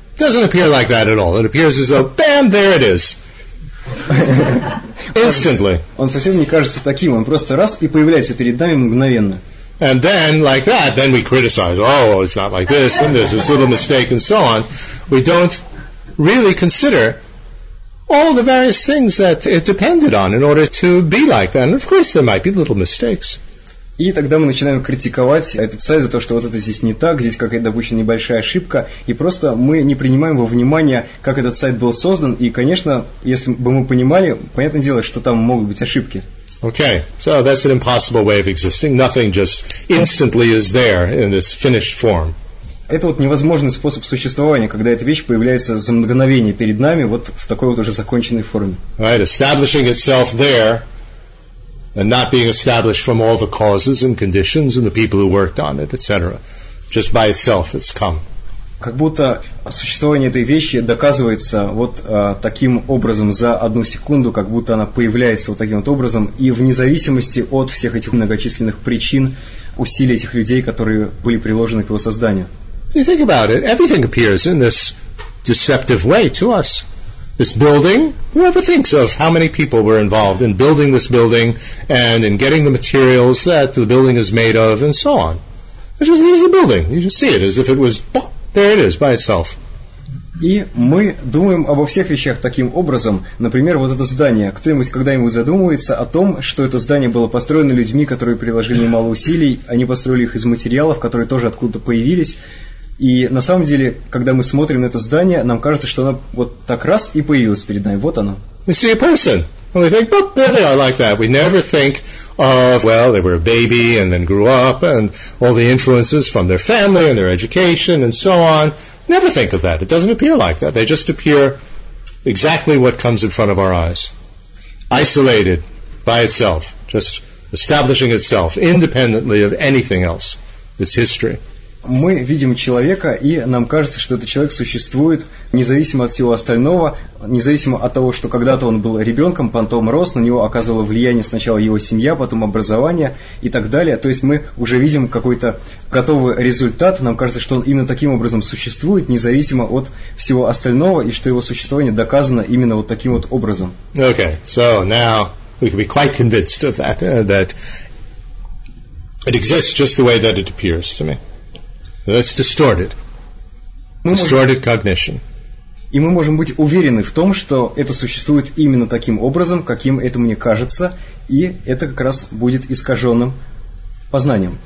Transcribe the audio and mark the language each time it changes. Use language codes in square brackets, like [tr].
[en] Doesn't appear like that at all. It appears as though, bam, there it is. Instantly. [ru] Он совсем не кажется таким, он просто раз и появляется перед нами мгновенно. [en] And then, like that, then we criticize. Oh, it's not like this, and this, this little mistake, and so on. We don't really consider all the various things that it depended on in order to be like that. And of course, there might be little mistakes. [ru] И тогда мы начинаем критиковать этот сайт за то, что вот это здесь не так, здесь какая-то, допустим, небольшая ошибка, и просто мы не принимаем во внимание, как этот сайт был создан, и, конечно, если бы мы понимали, понятное дело, что там могут быть ошибки. [en] Okay, so that's an impossible way of existing. Nothing just instantly is there in this finished form. [ru] Это вот невозможный способ существования, когда эта вещь появляется за мгновение перед нами, вот в такой вот уже законченной форме. [en] Right, establishing itself there and not being established from all the causes and conditions and the people who worked on it, etc. Just by itself it's come. [ru] Как будто существование этой вещи доказывается вот таким образом за одну секунду, как будто она появляется вот таким вот образом, и вне зависимости от всех этих многочисленных причин, усилий этих людей, которые были приложены к его созданию. [en] You think about it, everything appears in this deceptive way to us. This building, whoever thinks of how many people were involved in building this building and in getting the materials that the building is made of and so on. It's just, here's the building. You just see it as if it was, boom, there it is by itself. [ru] И мы думаем обо всех вещах таким образом. Например, вот это здание. Кто-нибудь когда-нибудь задумывается о том, что это здание было построено людьми, которые приложили немало усилий. Они построили их из материалов, которые тоже откуда-то появились. И на самом деле, когда мы смотрим на это здание, нам кажется, что оно вот так раз и появилось перед нами. Вот оно. [en] We see a person. And we think, but there they are like that. We never think of, well, they were a baby and then grew up and all the influences from their family and their education and so on. Never think of that. It doesn't appear like that. They just appear exactly what comes in front of our eyes. Isolated by itself. Just establishing itself independently of anything else. It's history. [ru] Мы видим человека, и нам кажется, что этот человек существует независимо от всего остального, независимо от того, что когда-то он был ребенком, потом рос, на него оказывало влияние сначала его семья, потом образование и так далее. То есть мы уже видим какой-то готовый результат, нам кажется, что он именно таким образом существует, независимо от всего остального, и что его существование доказано именно вот таким вот образом. [en] Okay, so now we can be quite convinced of that, that It exists just the way that it appears to me. That's distorted. Distorted cognition. [ru] И мы можем быть уверены в том, что это существует именно таким образом, каким это мне кажется, и это как раз будет искаженным познанием.